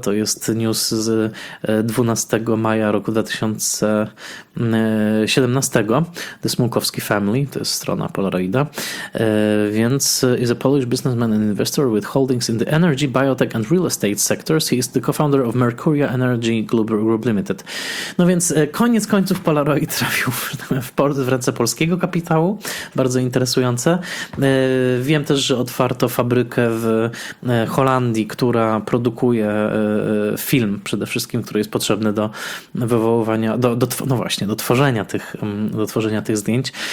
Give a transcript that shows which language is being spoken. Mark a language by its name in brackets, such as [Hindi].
[Polish] To jest news z 12 maja roku 2017. The Smołkowski Family, to jest strona Polaroida. [English] Więc is a Polish businessman an investor with holdings in the energy, biotech and real estate sectors. He is the co-founder of Mercuria Energy Group Limited. [Polish] No więc koniec końców Polaroid trafił w ręce polskiego kapitału. Bardzo interesujące. Wiem też, że otwarto fabrykę w Holandii, która produkuje film przede wszystkim, który jest potrzebny do wywoływania, do tworzenia tych zdjęć.